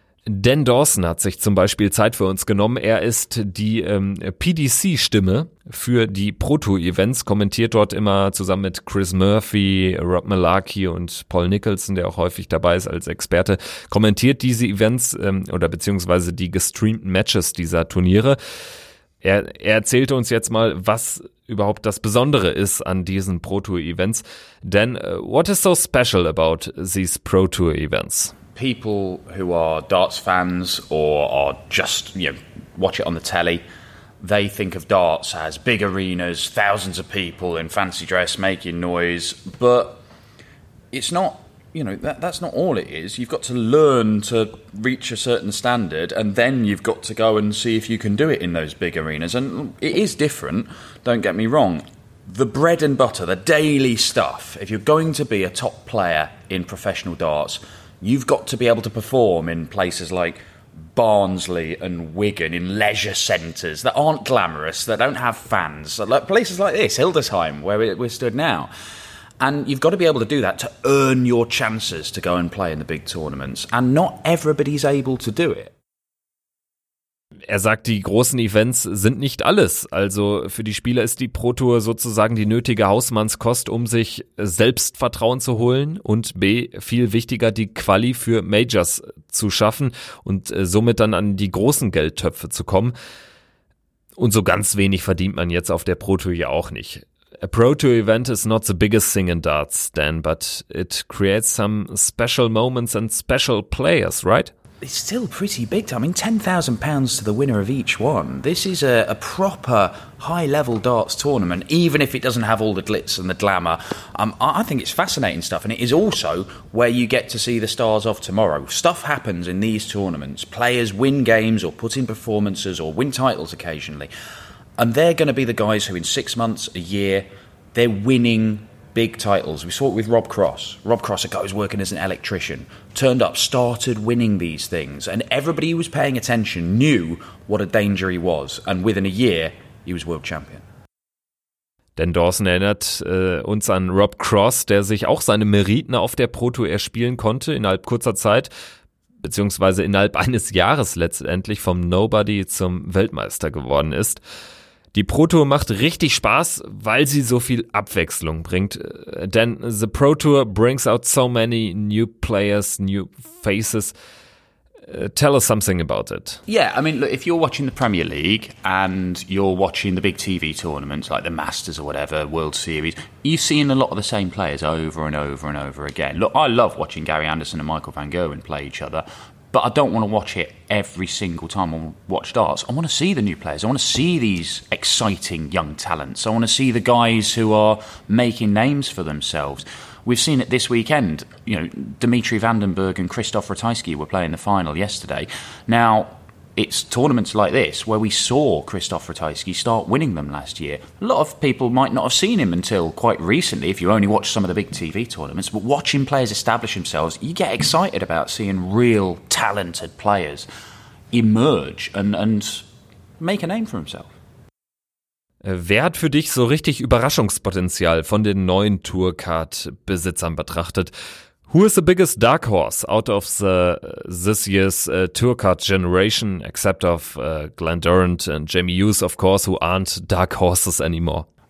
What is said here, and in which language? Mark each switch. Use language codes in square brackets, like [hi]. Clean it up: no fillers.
[de] Dan Dawson hat sich zum Beispiel Zeit für uns genommen. Er ist die PDC-Stimme für die Pro-Tour-Events, kommentiert dort immer zusammen mit Chris Murphy, Rob Malarkey und Paul Nicholson, der auch häufig dabei ist als Experte, kommentiert diese Events oder beziehungsweise die gestreamten Matches dieser Turniere. Er erzählte uns jetzt mal, was überhaupt das Besondere ist an diesen Pro-Tour-Events. [en] Dan, what is so special about these Pro-Tour-Events? People who are darts fans or are just, you know, watch it on the telly, they think of darts as big arenas, thousands of people in fancy dress making noise. But it's not, you know, that's not all it is. You've got to learn to reach a certain standard, and then you've got to go and see if you can do it in those big arenas. And it is different, don't get me wrong. The bread and butter, the daily stuff, if you're going to be a top player in professional darts, you've got to be able to perform in places like Barnsley and Wigan, in leisure centres that aren't glamorous, that don't have fans. Like places like this, Hildesheim, where we're stood now. And you've got to be able to do that to earn your chances to go and play in the big tournaments. And not everybody's able to do it. [de] Er sagt, die großen Events sind nicht alles. Also für die Spieler ist die Pro Tour sozusagen die nötige Hausmannskost, um sich Selbstvertrauen zu holen und B, viel wichtiger, die Quali für Majors zu schaffen und somit dann an die großen Geldtöpfe zu kommen. Und so ganz wenig verdient man jetzt auf der Pro Tour ja auch nicht. [en] A Pro Tour Event is not the biggest thing in darts, Dan, but it creates some special moments and special players, right? It's still pretty big. I mean, £10,000 to the winner of each one. This is a proper high-level darts tournament, even if it doesn't have all the glitz and the glamour. I think it's fascinating stuff, and it is also where you get to see the stars of tomorrow. Stuff happens in these tournaments. Players win games or put in performances or win titles occasionally. And they're going to be the guys who, in 6 months, a year, they're winning big titles. We saw it with Rob Cross. Rob Cross, a guy who's working as an electrician, turned up, started winning these things, and everybody who was paying attention knew what a danger he was. And within a year, he was world champion. [de] Dan Dawson erinnert uns an Rob Cross, der sich auch seine Meriten auf der Pro Tour erspielen konnte innerhalb kurzer Zeit, beziehungsweise innerhalb eines Jahres letztendlich vom Nobody zum Weltmeister geworden ist. Die Pro Tour macht richtig Spaß, weil sie so viel Abwechslung bringt. [en] Denn the Pro Tour brings out so many new players, new faces. Tell us something about it. Yeah, I mean, look, if you're watching the Premier League and you're watching the big TV tournaments like the Masters or whatever, World Series, you've seen a lot of the same players over and over and over again. Look, I love watching Gary Anderson and Michael van Gerwen play each other, But I don't want to watch it every single time I watch darts. I want to see the new players. I want to see these exciting young talents. I want to see the guys who are making names for themselves. We've seen it this weekend. You know, Dmitry Vandenberg and Krzysztof Ratajski were playing the final yesterday. Now, it's tournaments like this where we saw Krzysztof Ratajski start winning them last year. A lot of people might not have seen him until quite recently if you only watch some of the big TV tournaments. But watching players establish themselves, you get excited about seeing real talented players emerge and make a name for himself. [de] Wer hat für dich so richtig Überraschungspotenzial von den neuen Tourcard-Besitzern betrachtet? [en] Who is the biggest dark horse out of this year's tour card generation, except of Glenn Durrant and Jamie Hughes, of course, who aren't dark horses anymore?